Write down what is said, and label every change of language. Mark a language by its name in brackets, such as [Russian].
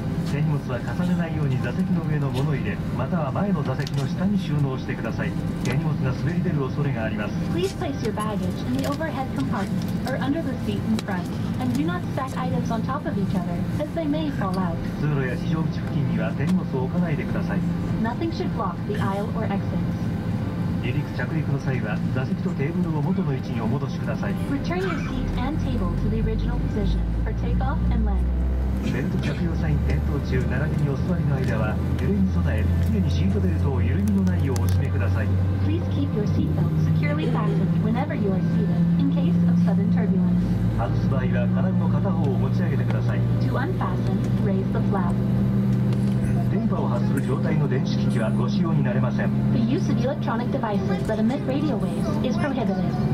[Japanese] 手荷物は重ねないように座席の上の物入れ、または前の座席の下に収納してください。手荷物が滑り出る恐れがあります。 [English] Please place your baggage in the overhead compartment or under the seat in front, and do not stack items on top of each other, as they may fall out. [Japanese] 通路や非常口付近には手荷物を置かないでください。 [English] Nothing should block the aisle or exits. [Japanese] 離陸着陸の際は座席とテーブルを元の位置にお戻しください。 [English] Return your seat and table to the original position for takeoff and landing. [Japanese] ベルト着用サイン点灯中並びにお座りの間は揺れに備え、常にシートベルトを緩みのないようお締めください。 [English] Please keep your seat belt securely fastened whenever you are seated in case of sudden turbulence. [Japanese] 外す場合は金具の片方を持ち上げてください。 [English] To unfasten, raise the flap. [Japanese] 電波を発する状態の電子機器はご使用になれません。 [English] The use of electronic devices that emit radio waves is prohibited.